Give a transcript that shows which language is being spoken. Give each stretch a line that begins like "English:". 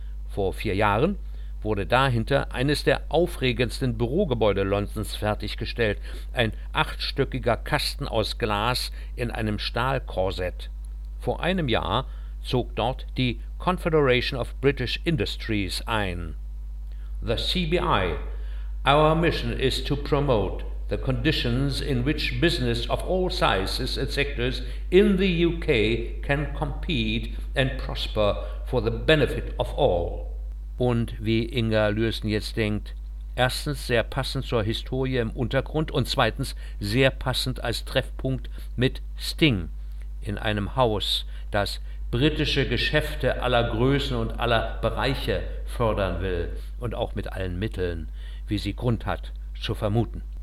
German: Vor 4 Jahren wurde dahinter eines der aufregendsten Bürogebäude Londons fertiggestellt, ein 8-stöckiger Kasten aus Glas in einem Stahlkorsett. Vor einem Jahr zog dort die Confederation of British Industries ein.
English: The CBI. Our mission is to promote the conditions in which business of all sizes and sectors in the UK can compete and prosper for the benefit of all.
German: Und wie Inga Lürsen jetzt denkt, erstens sehr passend zur Historie im Untergrund und zweitens sehr passend als Treffpunkt mit Sting in einem Haus, das britische Geschäfte aller Größen und aller Bereiche fördern will und auch mit allen Mitteln, wie sie Grund hat, zu vermuten.